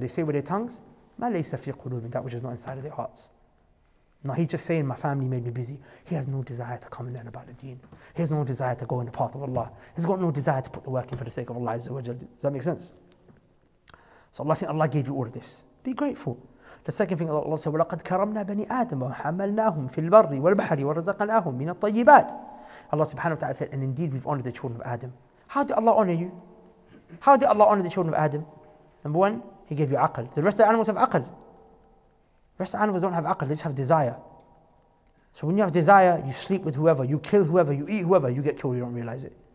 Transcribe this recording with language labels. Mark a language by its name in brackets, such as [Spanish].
[English] They say with their tongues, [Arabic] مَا لَيْسَ فِي قُلُوبِهِمْ. [English] That which is not inside of their hearts. No, he's just saying, my family made me busy. He has no desire to come and learn about the deen. He has no desire to go in the path of Allah. He's got no desire to put the work in for the sake of Allah. Does that make sense? So Allah said, Allah gave you all of this. Be grateful. The second thing Allah said, [Arabic] وَلَقَدْ كَرَمْنَا بَنِي آدَمَ وَحَمَلْنَاهُمْ فِي الْبَرِّ وَالْبَحْرِ وَرَزَقْنَاهُمْ مِنَ الطَّيِّبَاتِ. [English] Allah subhanahu wa ta'ala said, and indeed we've honored the children of Adam. How did Allah honor you? How did Allah honor the children of Adam? Number one, He gave you aql. The rest of the animals have aql. The rest of the animals don't have aql, they just have desire. So when you have desire, you sleep with whoever, you kill whoever, you eat whoever, you get killed, you don't realize it.